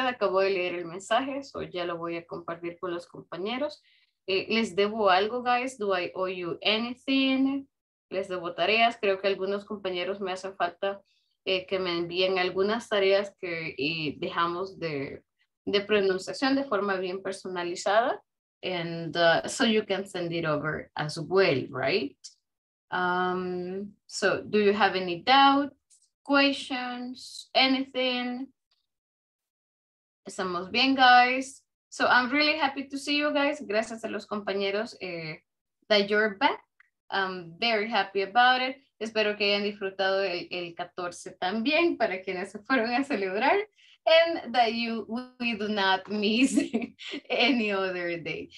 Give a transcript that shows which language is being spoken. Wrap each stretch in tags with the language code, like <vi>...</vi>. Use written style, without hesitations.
<es>Acabo de leer el mensaje, so ya lo voy a compartir con los compañeros. ¿Les debo algo, guys?</es> <en>Do I owe you anything?</en> <es>Les debo tareas. Creo que algunos compañeros me hacen falta que me envíen algunas tareas que dejamos de pronunciación de forma bien personalizada.</es> <en>And so you can send it over as well, right? So do you have any doubts, questions, anything?</en> <es>Estamos bien,</es> <en>guys. So I'm really happy to see you guys.</en> <es>Gracias a los compañeros</es> <en>that you're back. I'm very happy about it.</en> <es>Espero que hayan disfrutado el 14 también para quienes se fueron a celebrar.</es> <en>And that we do not miss any other day.</en>